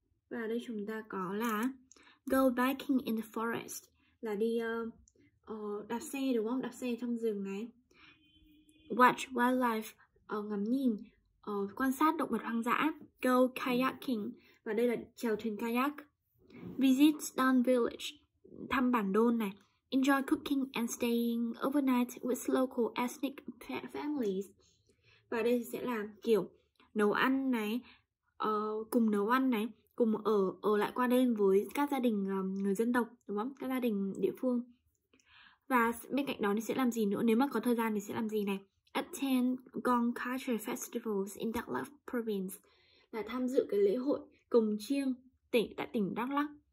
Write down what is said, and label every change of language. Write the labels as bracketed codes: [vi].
[vi] Và đây chúng ta có là [en] go biking in the forest, [vi] là đi đạp xe đúng không? Đạp xe trong rừng này. [en] Watch wildlife, [vi] ngắm nhìn, quan sát động vật hoang dã. [en] Go kayaking, [vi] và đây là chèo thuyền kayak. [en] Visit Don Village, [vi] thăm bản Don này. [en] Enjoy cooking and staying overnight with local ethnic families. [vi] Và đây sẽ là kiểu nấu ăn này, cùng nấu ăn này, cùng ở lại qua đêm với các gia đình người dân tộc đúng không? Các gia đình địa phương. Và bên cạnh đó thì sẽ làm gì nữa? Nếu mà có thời gian thì sẽ làm gì này? [en] Attend Gong Culture Festivals in Đắk Lắk Province, [vi] là tham dự cái lễ hội cồng chiêng tại tỉnh Đắk Lắk.